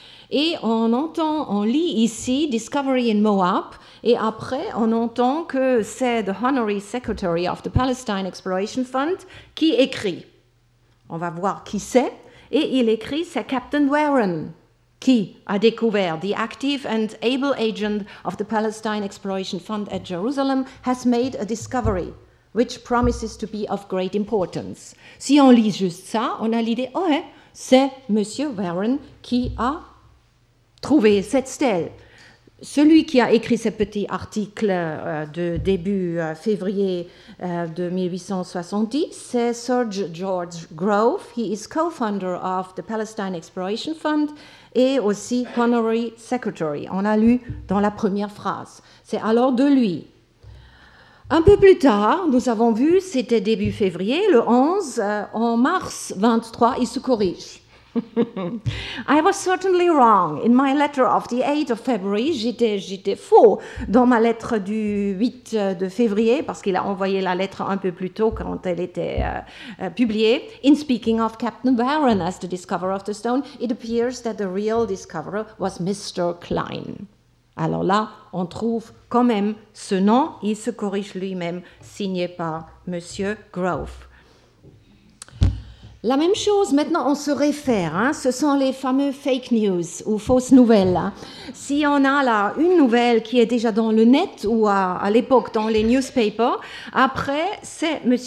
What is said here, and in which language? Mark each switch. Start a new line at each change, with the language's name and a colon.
French: Et on lit ici
English: Discovery in Moab,
French: et après on entend que c'est
English: the Honorary Secretary of the Palestine Exploration Fund
French: qui écrit. On va voir qui c'est, et il écrit c'est Captain Warren qui a découvert.
English: The active and able agent of the Palestine Exploration Fund at Jerusalem has made a discovery which promises to be of great importance.
French: Si on lit juste ça, on a l'idée, c'est Monsieur Warren qui a trouver cette stèle. Celui qui a écrit ce petit article de début février de 1870, c'est Sir George Grove.
English: He is co-founder of the Palestine Exploration Fund
French: et aussi
English: honorary secretary.
French: On a lu dans la première phrase. C'est alors de lui. Un peu plus tard, nous avons vu, c'était début février, le 11, en mars 23, il se corrige.
English: I was certainly wrong in my letter of the 8th of February.
French: J'étais faux dans ma lettre du 8 de février parce qu'il a envoyé la lettre un peu plus tôt quand elle était publiée.
English: In speaking of Captain Warren as the discoverer of the stone, it appears that the real discoverer was Mr. Klein.
French: Alors là, on trouve quand même ce nom. Il se corrige lui-même, signé par Monsieur Grove. La même chose, maintenant on se réfère, hein, ce sont les fameux fake news ou fausses nouvelles. Si on a là une nouvelle qui est déjà dans le net ou à l'époque dans les newspapers, après c'est M.